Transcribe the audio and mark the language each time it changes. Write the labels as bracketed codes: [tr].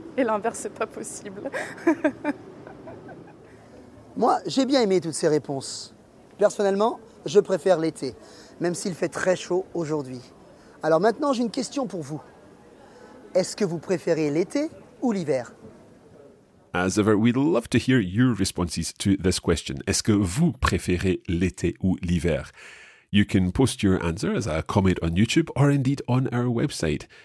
[fr] Et l'inverse, c'est pas possible. Moi, j'ai bien aimé toutes ces réponses. Personnellement, je préfère l'été, même s'il fait très chaud aujourd'hui. Alors maintenant, j'ai une question pour vous. Est-ce que vous préférez l'été ou l'hiver? [en] As ever, we'd love to hear your responses to this question. [fr] Est-ce que vous préférez l'été ou l'hiver? [en] You can post your answer as a comment on YouTube or indeed on our website.